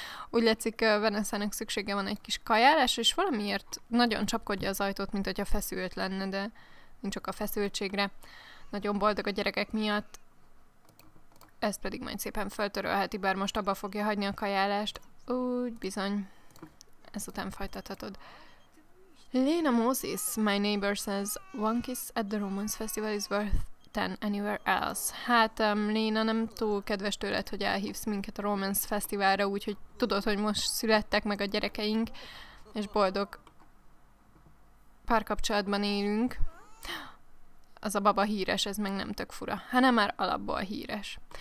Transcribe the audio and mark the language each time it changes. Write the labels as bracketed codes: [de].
[hu] Úgy látszik, Vanessa-nek szüksége van egy kis kajálás, és valamiért nagyon csapkodja az ajtót, mint hogyha feszült lenne, de nincs csak a feszültségre. Nagyon boldog a gyerekek miatt. Ezt pedig majd szépen feltörölheti, bár most abba fogja hagyni a kajálást. Úgy bizony. Ezután folytathatod. [en] Lena Moses, my neighbor says, one kiss at the Romance Festival is worth 10 anywhere else. [hu] Hát, Lena, nem túl kedves tőled, hogy elhívsz minket a Romance Festivalra, úgyhogy tudod, hogy most születtek meg a gyerekeink, és boldog párkapcsolatban élünk. Az a baba híres, ez meg nem tök fura. Hanem már alapból híres.